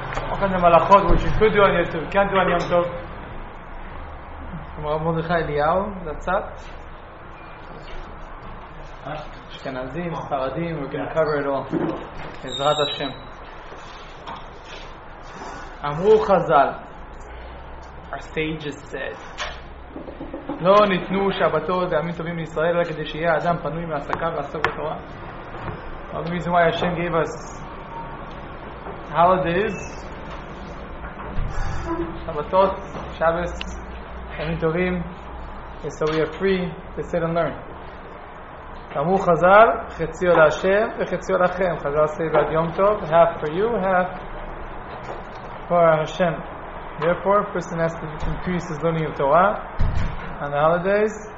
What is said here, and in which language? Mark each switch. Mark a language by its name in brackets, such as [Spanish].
[English] אוכל למלאכות, which you could do on YouTube, can do on יום טוב. [Hebrew] כמו מרדכי אליהו, לצאת. [English] אשכנזים, ספרדים, we can cover it all. [Hebrew] עזרת השם. אמרו חז"ל, [English] our sages said, [Hebrew] לא ניתנו שבתות וימים טובים לישראל רק כדי שיהיה אדם פנוי מעסקיו לעסוק בתורה. [English] The reason why Hashem gave us holidays, שבתות, שבס, ימים טובים, is so we are free to sit and learn. [Hebrew] אמרו חז"ל, חציו להשם וחציו לכם. [English] חז"ל say that יום טוב, half for you, half for Hashem. Therefore, a person has to increase his learning of Torah on the holidays.